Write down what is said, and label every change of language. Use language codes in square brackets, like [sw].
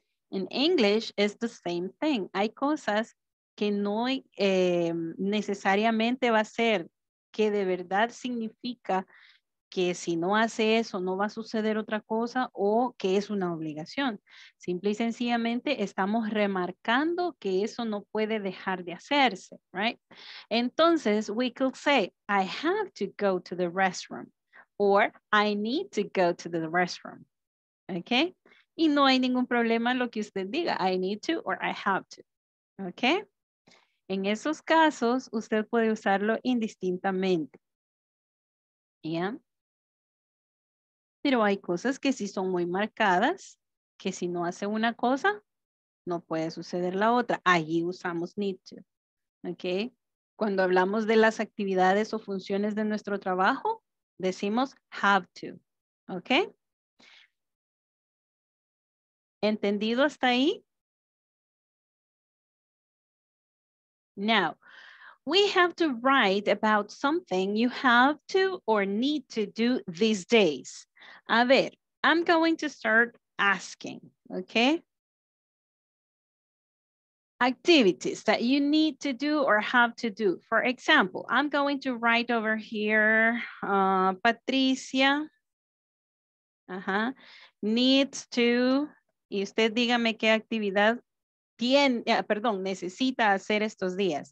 [en] In English is the same thing. [es] Hay cosas que no necesariamente va a ser que de verdad significa que si no hace eso no va a suceder otra cosa o que es una obligación. Simple y sencillamente estamos remarcando que eso no puede dejar de hacerse, right? [en] Entonces we could say, I have to go to the restroom. Or, I need to go to the restroom. Okay? [es] Y no hay ningún problema lo que usted diga. [en] I need to or I have to. Okay? [es] En esos casos, usted puede usarlo indistintamente. [en] Yeah? [es] Pero hay cosas que sí son muy marcadas, que si no hace una cosa, no puede suceder la otra. Allí usamos need to. Okay? Cuando hablamos de las actividades o funciones de nuestro trabajo, decimos have to, ¿ok? ¿Entendido hasta ahí? [en] Now, we have to write about something you have to or need to do these days. A ver, I'm going to start asking, ¿ok? Activities that you need to do or have to do. For example, I'm going to write over here, Patricia. [es] Needs to, y usted dígame qué actividad tiene, perdón, necesita hacer estos días.